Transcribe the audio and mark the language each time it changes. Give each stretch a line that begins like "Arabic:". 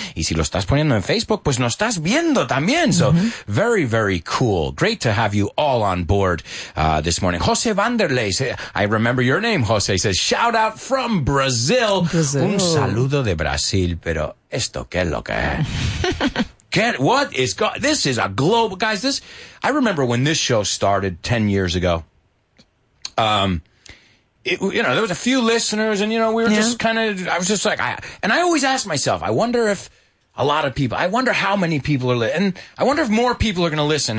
Spanish: Y si lo estás poniendo en Facebook, pues nos estás viendo también.
English: So mm-hmm. very, very cool. Great to have you all on board this morning. Jose Vanderlei, I remember your name, Jose, says, shout out from Brazil. Brazil.
Spanish: Un saludo de Brasil, pero esto qué es lo que es.
English: What is God? This is a global, guys. This, I remember when this show started 10 years ago. There was a few listeners, and you know, we were just kind of, I was just like, I always ask myself, I wonder if a lot of people, I wonder how many people are, and I wonder if more people are going to listen.